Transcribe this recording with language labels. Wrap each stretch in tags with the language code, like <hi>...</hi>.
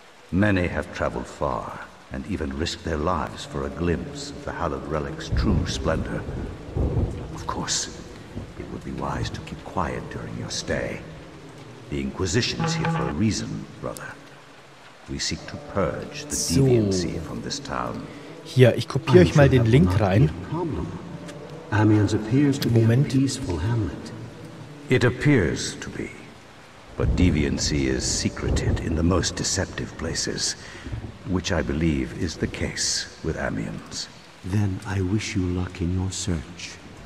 <en>Many have traveled far and even risked their lives for a glimpse of the hallowed relic's true splendor. Of course, it would be wise to keep quiet during your stay. The Inquisition is here for a reason, brother. We seek to purge the deviancy from this town.</en> <de>Hier, ich kopiere euch mal den Link rein.</de> <en>Amiens appears to be a peaceful hamlet. It appears to be, but deviancy is secreted in the most deceptive places, which I believe is the case with Amiens. Then I wish you luck in your search.</en>